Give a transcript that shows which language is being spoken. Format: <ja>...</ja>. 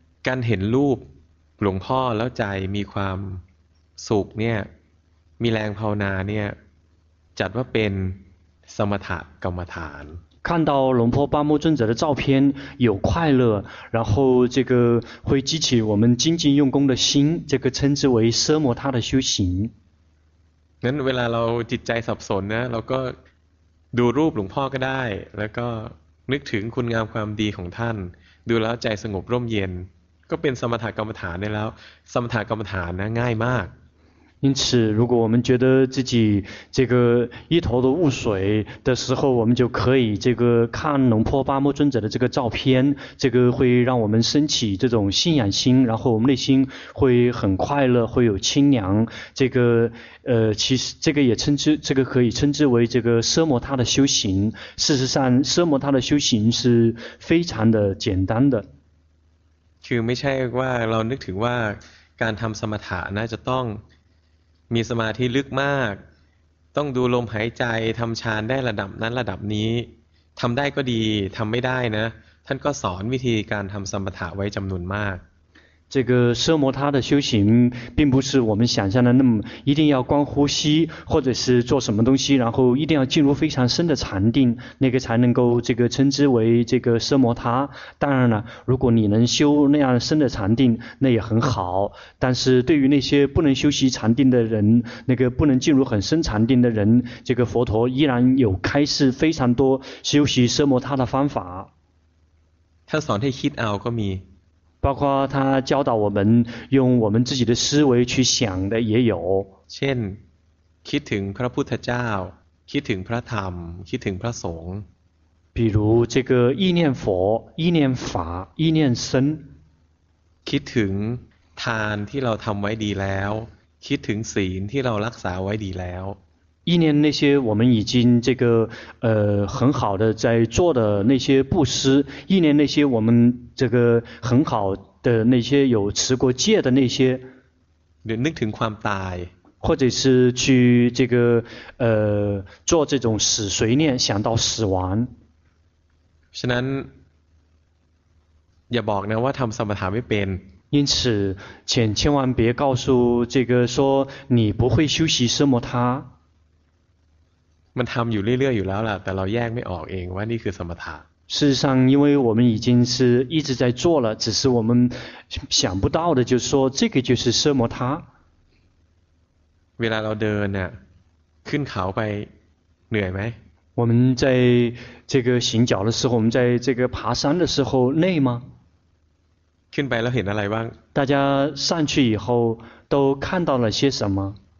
<th>การเห็นรูปหลวงพ่อแล้วใจมีความสุขเนี่ยมีแรงภาวนาเนี่ยจัดว่าเป็นสมถกรรมฐาน</th> <zh>看到龙婆巴木尊者的照片有快乐，然后这个会激起我们精进用功的心，这个称之为奢摩他的修行。</zh> <th>นั้นเวลาเราจิตใจสับสนนะเราก็ดูรูปหลวงพ่อก็ได้แล้วก็นึกถึงคุณงามความดีของท่านดูแล้วใจสงบร่มเย็นก็เป็นสมถกรรมฐานได้แล้วสมถกรรมฐานนะง่ายมาก</th> <zh>因此如果我们觉得自己这个一头的雾水的时候我们就可以这个看龙婆巴木尊者的这个照片这个会让我们升起这种信仰心然后我们内心会很快乐会有清凉这个其实这个也称之这个可以称之为这个奢摩他的修行事实上奢摩他的修行是非常的简单的</zh> <th>คือไม่ใช่ว่าเรานึกถึงว่าการทำสมถะน่าจะต้องมีสมาธิลึกมากต้องดูลมหายใจทำฌานได้ระดับนั้นระดับนี้ทำได้ก็ดีทำไม่ได้นะท่านก็สอนวิธีการทำสมถะไว้จำนวนมาก</th> <zh>这个奢摩他的修行并不是我们想象的那么一定要光呼吸或者是做什么东西然后一定要进入非常深的禅定那个才能够这个称之为这个奢摩他当然了如果你能修那样深的禅定那也很好但是对于那些不能修习禅定的人那个不能进入很深禅定的人这个佛陀依然有开示非常多修习奢摩他的方法他</zh> <th>สอนให้คิดเอาก็มี</th> <zh>包括他教导我们用我们自己的思维去想的也有</zh> <th>เช่นคิดถึงพระพุทธเจ้าคิดถึงพระธรรมคิดถึงพระสงฆ์</th> <zh>比如这个意念佛意念法意念僧</zh> <th>คิดถึงทานที่เราทำไว้ดีแล้วคิดถึงศีลที่เรารักษาไว้ดีแล้ว</th> <zh>意念那些我们已经这个很好的在做的那些布施意念那些我们这个很好的那些有持过戒的那些</zh> <th>นึกถึงความตาย</th> <zh>或者是去这个做这种死随念想到死亡</zh> <th>ฉะนั้นอย่าบอกนะว่าทำสมถะไม่เป็น</th> <zh>因此请千万别告诉这个说你不会修习奢摩他</zh> <th>มันทำอยู่เรื่อยๆอยู่แล้วล่ะแต่เราแยกไม่ออกเองว่านี่คือสมถะ</th> <zh>事实上因为我们已经是一直在做了只是我们想不到的就是说这个就是奢摩他</zh> <th>เวลาเราเดินเนี่ยขึ้นเขาไปเหนื่อยไหม</th> <zh>我们在这个行脚的时候我们在这个爬山的时候累吗</zh> <th>ขึ้นไปแล้วเห็นอะไรบ้าง</th> <zh>大家上去以后都看到了些什么</zh>